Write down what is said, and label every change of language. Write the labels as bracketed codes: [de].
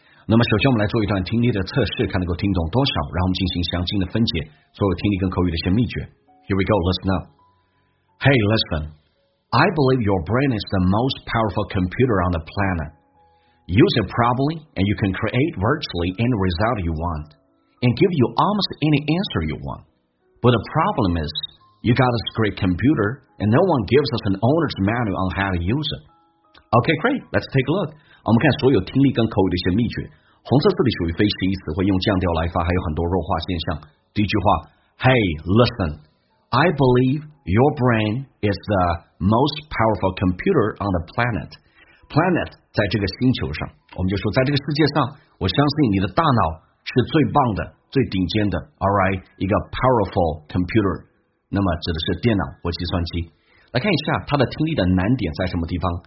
[zh] 那么首先我们来做一段听力的测试，看能够听懂多少，然后我们进行详尽的分解所有听力跟口语的一些秘诀。 [en] Here we go, listen up. Hey, listen. I believe your brain is the most powerful computer on the planet. Use it properly and you can create virtually any result you want and give you almost any answer you want. But the problem isYou got this great computer, and no one gives us an owner's manual on how to use it. Okay, great. Let's take a look. [zh] 我们看所有听力跟口语的一些秘诀。红色字里属于非形意词，会用降调来发，还有很多弱化现象。第一句话 ， [en] Hey, listen. I believe your brain is the most powerful computer on the planet. [zh] Planet 在这个星球上，我们就说在这个世界上，我相信你的大脑是最棒的、最顶尖的。 [en] All right, [zh] 一个 [en] powerful computer. [zh] 那么指的是电脑或计算机。来看一下它的听力的难点在什么地方。